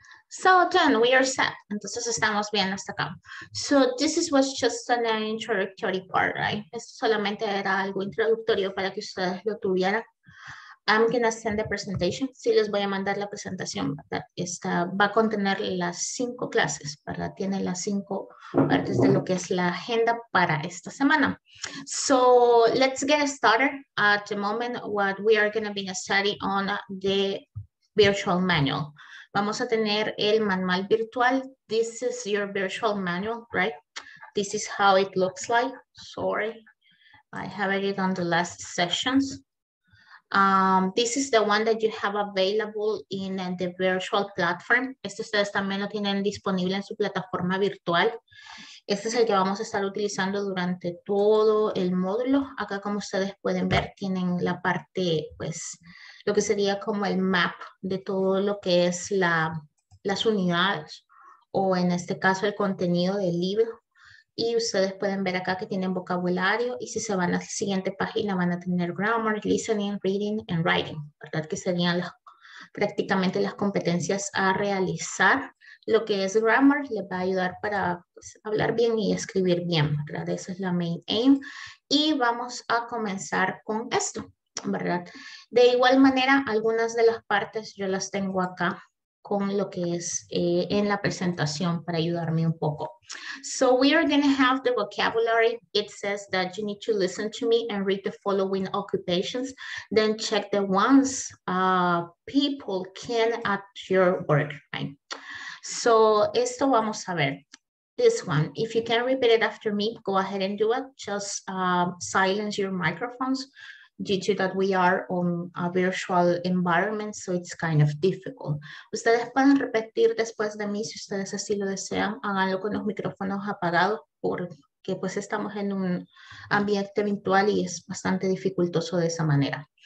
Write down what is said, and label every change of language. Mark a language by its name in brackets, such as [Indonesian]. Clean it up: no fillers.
[English] So then, we are set. [Spanish] Entonces estamos bien hasta acá. [English] So this was just an introductory part, right? [Spanish] Esto solamente era algo introductorio para que ustedes lo tuvieran. [English] I'm gonna send the presentation. [Spanish] Sí, les voy a mandar la presentación. Esta va a contener las 5 clases, ¿verdad? Tiene las 5 partes de lo que es la agenda para esta semana. [English] So let's get started. At the moment, what we are gonna be studying on the virtual manual. [Spanish] Vamos a tener el manual virtual. [English] This is your virtual manual, right? This is how it looks like. Sorry, I have it on the last sessions. This is the one that you have available in the virtual platform. [Spanish] Este ustedes también lo tienen disponible en su plataforma virtual. Este es el que vamos a estar utilizando durante todo el módulo. Acá, como ustedes pueden ver, tienen la parte, pues, lo que sería como el map de todo lo que es las unidades o en este caso el contenido del libro. Y ustedes pueden ver acá que tienen vocabulario y si se van a la siguiente página van a tener grammar, listening, reading and writing, ¿verdad? Que serían prácticamente las competencias a realizar. Lo que es grammar les va a ayudar para hablar bien y escribir bien, ¿verdad? Esa es la main aim. Y vamos a comenzar con esto, ¿verdad? De igual manera, algunas de las partes yo las tengo acá con lo que es en la presentación para ayudarme un poco. [English] So we are going to have the vocabulary. It says that you need to listen to me and read the following occupations. Then check the ones people can at your work, right? So [Spanish] esto vamos a ver. [English] This one, if you can repeat it after me, go ahead and do it. Just silence your microphones due to that we are on a virtual environment, so it's kind of difficult. [Spanish] Ustedes pueden repetir después de mí, si ustedes así lo desean, háganlo con los micrófonos apagados, porque pues estamos en un ambiente virtual y es bastante dificultoso de esa manera.